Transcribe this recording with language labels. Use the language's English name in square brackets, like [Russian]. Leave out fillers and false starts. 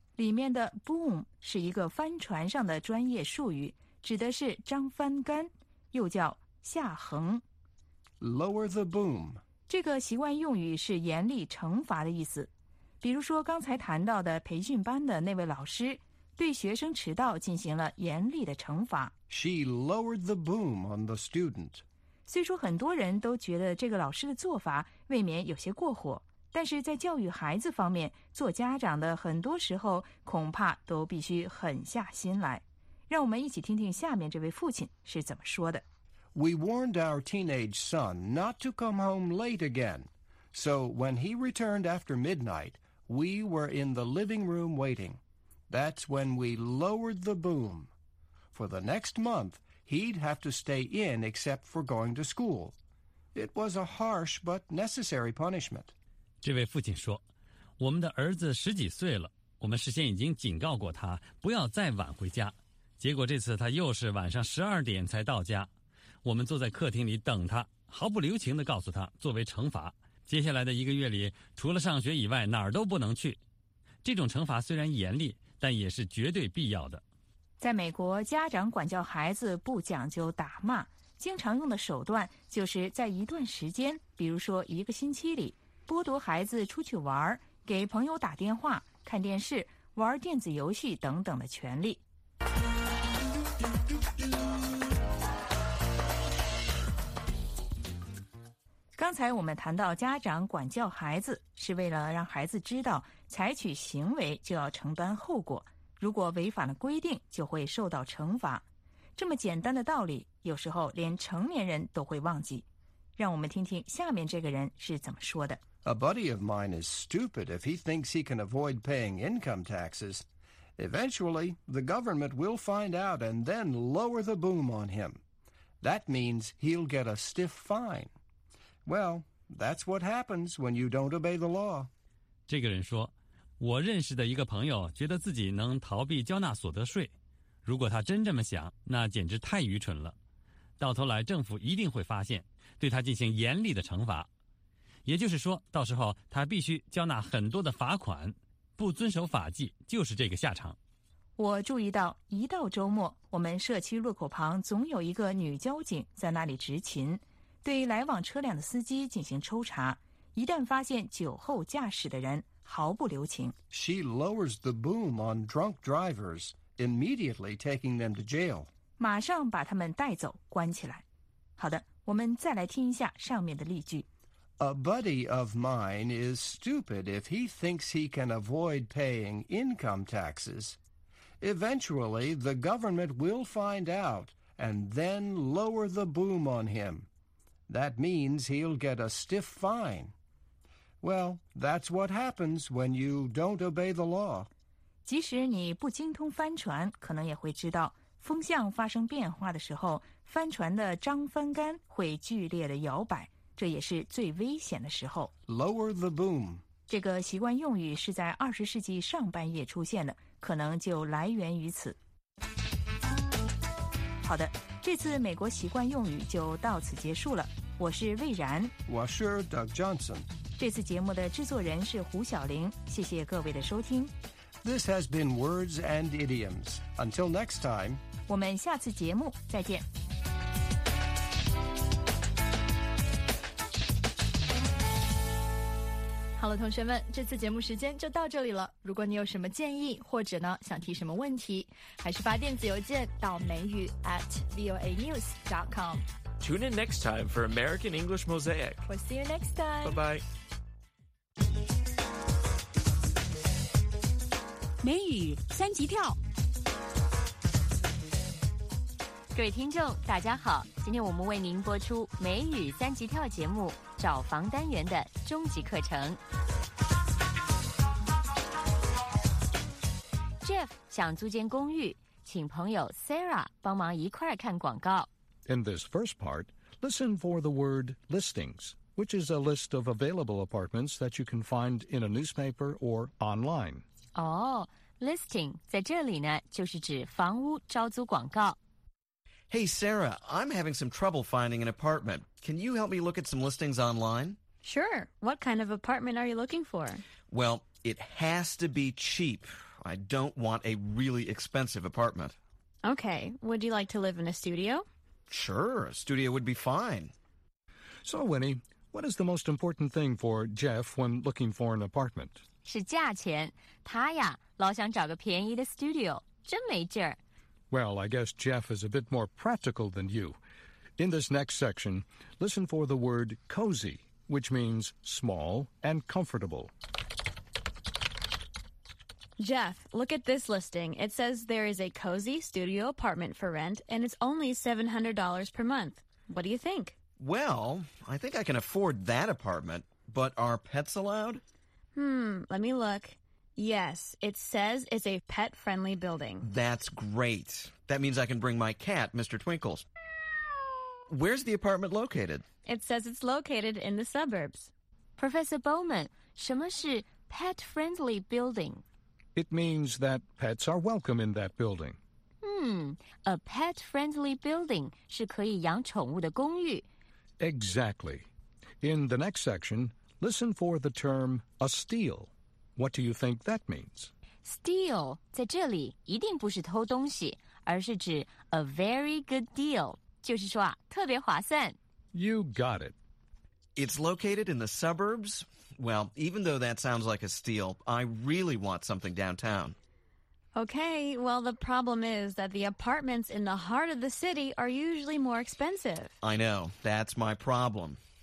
[Chinese] 里面的 boom 是一个帆船上的专业术语，指的是张帆杆，又叫下横。 [English] lower the boom [Chinese] 这个习惯用语是严厉惩罚的意思。比如说刚才谈到的培训班的那位老师，对学生迟到进行了严厉的惩罚。 [English] She lowered the boom on the student。 [Chinese] 虽说很多人都觉得这个老师的做法未免有些过火，但是在教育孩子方面，做家长的很多时候恐怕都必须狠下心来。让我们一起听听下面这位父亲是怎么说的。 [English] We warned our teenage son not to come home late again. So when he returned after midnight, we were in the living room waiting. That's when we lowered the boom. For the next month, he'd have to stay in except for going to school. It was a harsh but necessary punishment. [Chinese] 这位父亲说，我们的儿子十几岁了，我们事先已经警告过他不要再晚回家，结果这次他又是晚上12点才到家。我们坐在客厅里等他，毫不留情地告诉他，作为惩罚，接下来的一个月里除了上学以外哪儿都不能去。这种惩罚虽然严厉，但也是绝对必要的。在美国，家长管教孩子不讲究打骂，经常用的手段就是在一段时间，比如说一个星期里，剥夺孩子出去玩、给朋友打电话、看电视、玩电子游戏等等的权利。刚才我们谈到家长管教孩子是为了让孩子知道采取行为就要承担后果，如果违反了规定就会受到惩罚。这么简单的道理有时候连成年人都会忘记。让我们听听下面这个人是怎么说的。 [English] A buddy of mine is stupid if he thinks he can avoid paying income taxes. Eventually, the government will find out and then lower the boom on him. That means he'll get a stiff fine. Well, that's what happens when you don't obey the law. [Chinese] 这个人说，我认识的一个朋友觉得自己能逃避交纳所得税。如果他真这么想，那简直太愚蠢了。到头来，政府一定会发现，对他进行严厉的惩罚。也就是说，到时候他必须交纳很多的罚款，不遵守法纪就是这个下场。我注意到，一到周末，我们社区路口旁总有一个女交警在那里执勤，对来往车辆的司机进行抽查，一旦发现酒后驾驶的人，毫不留情。 [English] She lowers the boom on drunk drivers, immediately taking them to jail. [Chinese] 马上把他们带走，关起来。好的，我们再来听一下上面的例句。 [English] A buddy of mine is stupid if he thinks he can avoid paying income taxes. Eventually, the government will find out and then lower the boom on him. That means he'll get a stiff fine. Well, that's what happens when you don't obey the law. [Chinese] 即使你不精通帆船，可能也会知道，风向发生变化的时候，帆船的张帆杆会剧烈的摇摆。这也是最危险的时候。 [English] Lower the boom. [Chinese] 这个习惯用语是在20世纪上半叶出现的，可能就来源于此。好的，这次美国习惯用语就到此结束了。我是魏然。我是 Doug Johnson。这次节目的制作人是胡晓玲。谢谢各位的收听。 [English] This has been Words and Idioms. Until next time. [Chinese] 我们下次节目再见。好了，同学们，这次节目时间就到这里了。如果你有什么建议，或者呢想提什么问题，还是发电子邮件到美语@voanews.com。 [English] Tune in next time for American English Mosaic. We'll see you next time. Bye-bye. [Chinese] 美语三级跳。各位听众大家好，今天我们为您播出美语三级跳节目找房单元的终极课程。 Jeff 想租间公寓，请朋友 Sarah 帮忙一块看广告。 [English] In this first part, listen for the word listings, which is a list of available apartments that you can find in a newspaper or online. [Chinese] Oh, listing 在这里呢，就是指房屋招租广告。 [English] Hey, Sarah, I'm having some trouble finding an apartment. Can you help me look at some listings online? Sure. What kind of apartment are you looking for? Well, it has to be cheap. I don't want a really expensive apartment. Okay. Would you like to live in a studio? Sure, a studio would be fine. So, Winnie, what is the most important thing for Jeff when looking for an apartment? [Chinese] 是价钱。他呀，老想找个便宜的 studio, 真没劲儿。 [English] Well, I guess Jeff is a bit more practical than you. In this next section, listen for the word cozy, which means small and comfortable. Jeff, look at this listing. It says there is a cozy studio apartment for rent, and it's only $700 per month. What do you think? Well, I think I can afford that apartment, but are pets allowed? Let me look. Yes, it says it's a pet-friendly building. That's great. That means I can bring my cat, Mr. Twinkles. Where's the apartment located? It says it's located in the suburbs. [Chinese] Professor Bowman, 什么是 [English] pet-friendly building? It means that pets are welcome in that building. A pet-friendly building [Chinese] 是可以养宠物的公寓。 [English] Exactly. In the next section, listen for the term a steal. What do you think that means? [Chinese] Steal 在这里一定不是偷东西，而是指 [English] a very good deal, [Chinese] 就是说啊，特别划算。 [English] You got it. It's located in the suburbs? Well, even though that sounds like a steal, I really want something downtown. Okay, well, the problem is that the apartments in the heart of the city are usually more expensive. I know, that's my problem.